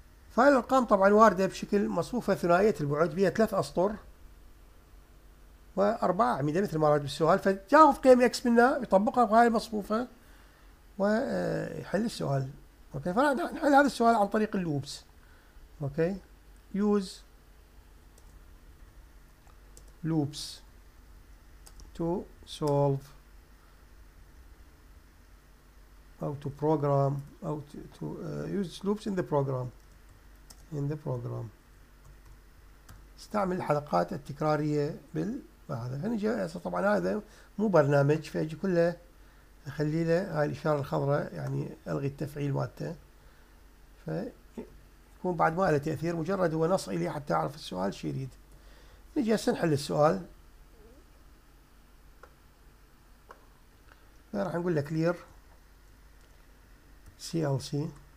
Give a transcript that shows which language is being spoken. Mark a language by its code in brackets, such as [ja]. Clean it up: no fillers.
[ar] فهاي الارقام طبعا واردة بشكل مصفوفة ثنائية البعد، بها ثلاث اسطر واربعة اعمدة مثل ما رأيت بالسؤال، فتاخذ قيم اكس منها يطبقها بهاي المصفوفة ويحل السؤال. اوكي، فنحل هذا السؤال عن طريق اللوبس. [en] okay, use loops to solve or to program or to use loops in the program [ar] استعمل الحلقات التكرارية بالهذا. هنا جاء طبعا هذا مو برنامج، فأجي كله أخلي له هاي الإشارة الخضراء يعني ألغي التفعيل مالته، فيكون بعد ما له تأثير، مجرد هو نص إلي حتى أعرف السؤال شو يريد. نجي هسه نحل السؤال، راح نقول له كلير سي ال سي.